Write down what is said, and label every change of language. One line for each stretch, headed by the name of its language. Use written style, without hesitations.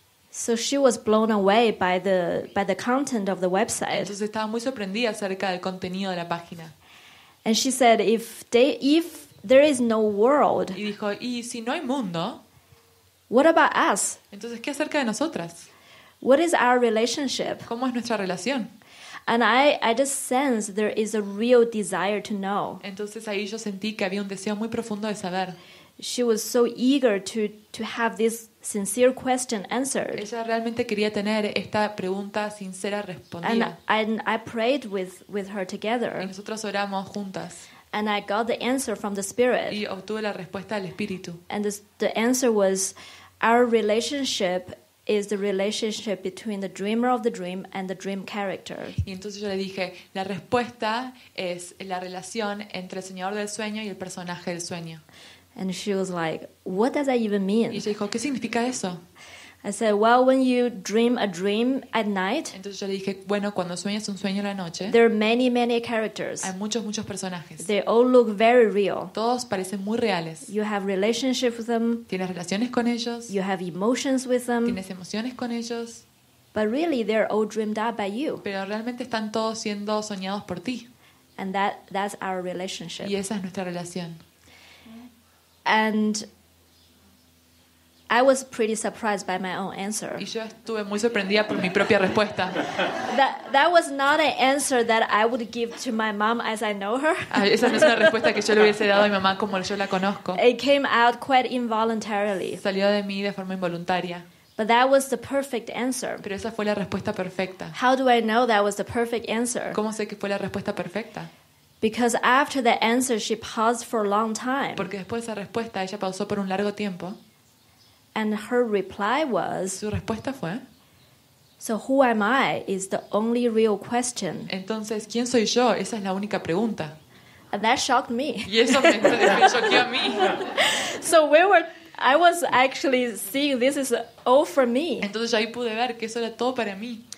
English: So she was blown away by the content of the website.
Spanish: Entonces estaba muy sorprendida acerca del contenido de la página.
English: And she said, if there is no world.
Spanish: Y dijo, y si no hay mundo.
English: What about us?
Spanish: Entonces, ¿qué acerca de nosotras?
English: What is our relationship?
Spanish: ¿Cómo es nuestra relación?
English: And I just sense there is a real desire to know.
Spanish: Entonces ahí yo sentí que había un deseo muy profundo de saber.
English: She was so eager to have this sincere question answered.
Spanish: Ella realmente quería tener esta pregunta sincera respondida.
English: And I prayed with her together.
Spanish: Y nosotros oramos juntas.
English: And I got the answer from the Spirit.
Spanish: Y obtuve la respuesta del Espíritu.
English: And the answer was our relationship is the relationship between the dreamer of the dream and the dream character.
Spanish: Y entonces yo le dije, la respuesta es la relación entre el soñador del sueño y el personaje del sueño.
English: And she was like, what does that even mean?
Spanish: Y ella dijo, ¿qué significa eso?
English: I said, well, when you dream a dream at night,
Spanish: entonces yo le dije, bueno, cuando sueñas un sueño en la noche,
English: there are many, many characters.
Spanish: Hay muchos, muchos personajes.
English: They all look very real.
Spanish: Todos parecen muy reales.
English: You have relationships with them.
Spanish: Tienes relaciones con ellos.
English: You have emotions with them.
Spanish: Tienes emociones con ellos.
English: But really, they're all dreamed up by you.
Spanish: Pero realmente están todos siendo soñados por ti.
English: And that's our relationship.
Spanish: Y esa es nuestra relación.
English: And I was pretty surprised by my own answer.
Spanish: Y yo estuve muy sorprendida por mi propia respuesta.
English: That was not an answer that I would give to my mom as I know her.
Spanish: Esa no es una respuesta que yo le hubiese dado a mi mamá como yo la conozco.
English: It came out quite involuntarily.
Spanish: Salió de mí de forma involuntaria.
English: But that was the perfect answer.
Spanish: Pero esa fue la respuesta perfecta.
English: How do I know that was the perfect answer?
Spanish: ¿Cómo sé que fue la respuesta perfecta?
English: Because after the answer, she paused for a long time.
Spanish: Porque después de esa respuesta, ella pausó por un largo tiempo.
English: And her reply was.
Spanish: Su respuesta fue.
English: So who am I is the only real question.
Spanish: Entonces, ¿quién soy yo? Esa es la única pregunta.
English: And that shocked me.
Spanish: Y eso me choqueó a mí.
English: So I was actually seeing this is all for me.
Spanish: Entonces ahí pude ver que eso era todo para mí.